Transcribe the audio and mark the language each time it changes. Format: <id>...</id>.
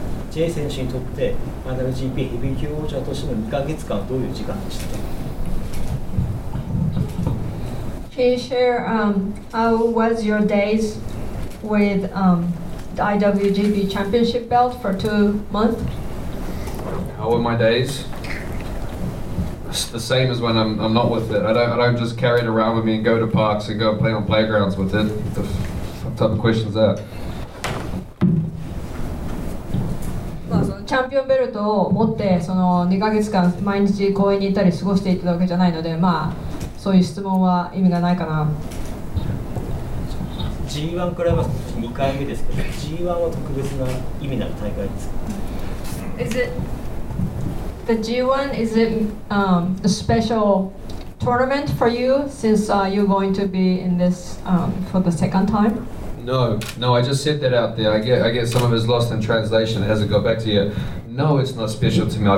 <ja>J選手にとって、IWGP ヘビー級王者としての2ヶ月間、どういう時間でしたか?</ja> <en>Can you share how was your days with the IWGP Championship belt for 2 months? How were my days? It's the same as when I'm not with it. I don't just carry it around with me and go to parks and go play on playgrounds with it. What type of question is that?</en> <ja>チャンピオンベルトを持ってその2ヶ月間毎日公園に行ったり過ごしていたわけじゃないので、まあそういう質問は意味がないかな。 G1 クライマックス2回目ですけど、 G1 は特別な意味のある大会ですか?</ja> <en>Is it the G1? Is it a special tournament for you since you're going to be in this for the second time? No, I just said that out there. I get some of it's lost in translation. It hasn't got back to you. No, it's not special to me.</en>